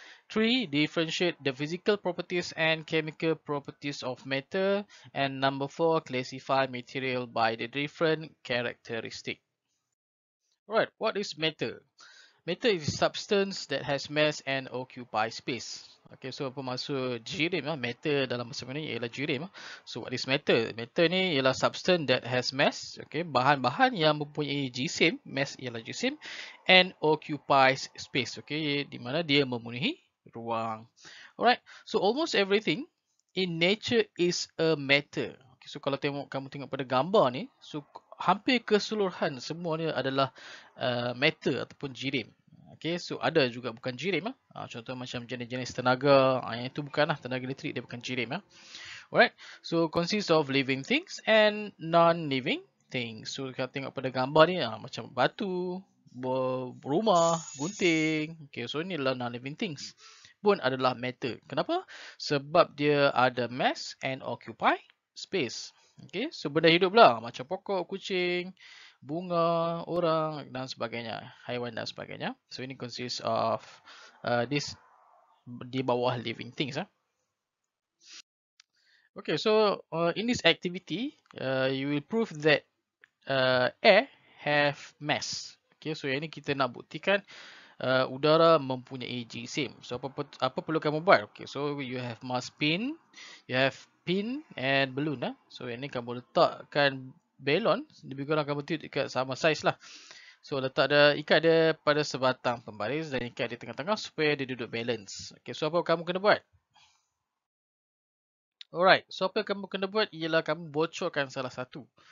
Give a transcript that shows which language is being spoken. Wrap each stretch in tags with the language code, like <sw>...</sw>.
<en>Three, differentiate the physical properties and chemical properties of matter. And number four, classify material by the different characteristic. Right, what is matter? Matter is substance that has mass and occupy space.</en> <ms>Okay, so apa maksud jirim? Matter dalam bahasa Melayu ialah jirim.</ms> <en>So what is matter?</en> <ms>Matter ni ialah</ms> <en>substance that has mass.</en> <ms>Okay, bahan-bahan yang mempunyai jisim, mass ialah jisim,</ms> <en>and occupies space.</en> <ms>Okay, di mana dia memenuhi ruang.</ms> <en>Alright, so almost everything in nature is a matter.</en> <ms>Okay, so kalau kamu tengok pada gambar ni, so hampir keseluruhan semuanya adalah matter ataupun jirim. Okay, so ada juga bukan jirim. Contoh macam jenis-jenis tenaga, yang itu bukanlah tenaga elektrik, dia bukan jirim.</ms> <en>Alright, so consists of living things and non-living things.</en> <ms>So kita tengok pada gambar ni, macam batu, rumah, gunting. Okay, so ini adalah non-living things pun adalah matter. Kenapa? Sebab dia ada mass</ms> <en>and occupy space.</en> <ms>Okay, so benda hidup lah, macam pokok, kucing, bunga, orang dan sebagainya, haiwan dan sebagainya.</ms> <en>So ini consists of this</en> <ms>di bawah</ms> <en>living things. Okay, so in this activity, you will prove that air have mass.</en> <ms>Okay, so yang ini kita nak buktikan udara mempunyai jisim. So apa perlu kamu buat?</ms> <en>Okay, so you have mass pin, you have pin and balloon.</en> <ms>So yang ini kamu letakkan balon, lebih kurang kamu tiup dekat sama saiz lah. So letak dia, ikat dia pada sebatang pembaris dan ikat di tengah-tengah supaya dia duduk balance. Okay, so apa kamu kena buat? Alright, so apa kamu kena buat ialah kamu bocorkan salah satu.</ms>